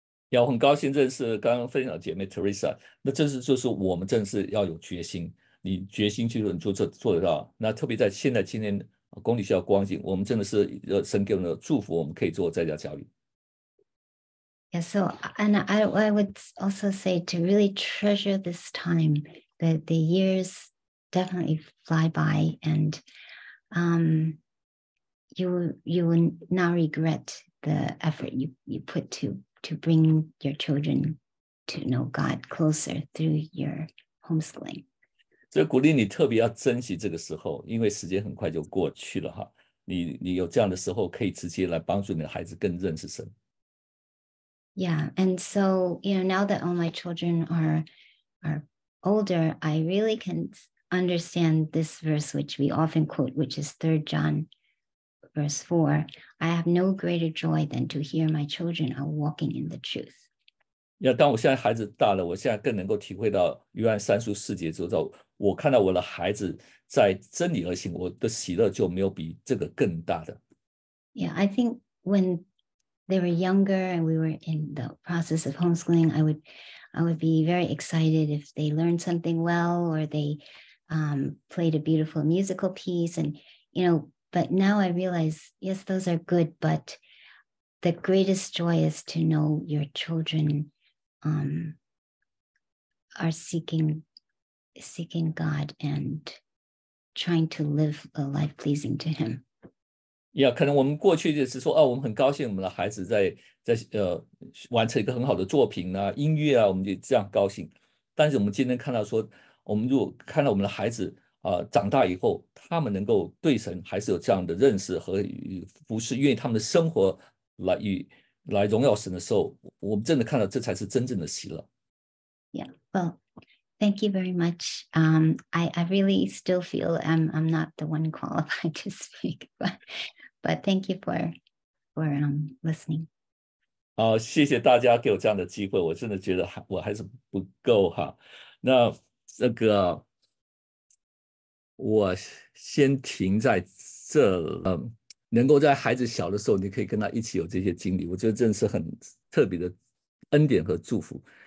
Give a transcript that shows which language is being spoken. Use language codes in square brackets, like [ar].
[zh] 我很高兴认识刚刚分享的姐妹 Teresa， 那这是就是我们真的是要有决心，你决心去做，你就做得到。那特别在现在今天公立学校光景，我们真的是神给我们的祝福，我们可以做在家教育。 [en] Yeah, so and I would also say to really treasure this time. The years definitely fly by, and you will now regret the effort you put to bring your children to know God closer through your homeschooling. [zh] 这鼓励你特别要珍惜这个时候，因为时间很快就过去了哈。你有这样的时候，可以直接来帮助你的孩子更认识神。 [en] Yeah, and so, you know, now that all my children are older, I really can understand this verse, which we often quote, which is 3 John verse 4. I have no greater joy than to hear my children are walking in the truth. [zh] Yeah, 当我现在孩子大了，我现在更能够体会到约翰三书四节之后，我看到我的孩子在真理而行，我的喜乐就没有比这个更大的。 [en] Yeah, I think when they were younger and we were in the process of homeschooling, I would be very excited if they learned something well or they played a beautiful musical piece. And, you know, but now I realize, yes, those are good, but the greatest joy is to know your children are seeking God and trying to live a life pleasing to Him. [zh] Yeah, 可能我们过去就是说，哦，我们很高兴我们的孩子在完成一个很好的作品啊，音乐啊，我们就这样高兴。但是我们今天看到说，我们如果看到我们的孩子长大以后，他们能够对神还是有这样的认识和服侍，愿意他们的生活来荣耀神的时候，我们真的看到这才是真正的喜乐。 [en] Yeah, well, thank you very much. I really still feel I'm not the one qualified to speak, but thank you for listening. [zh] 好，谢谢大家给我这样的机会，我真的觉得我还是不够哈。那这个我先停在这了。能够在孩子小的时候，你可以跟他一起有这些经历，我觉得真的是很特别的恩典和祝福。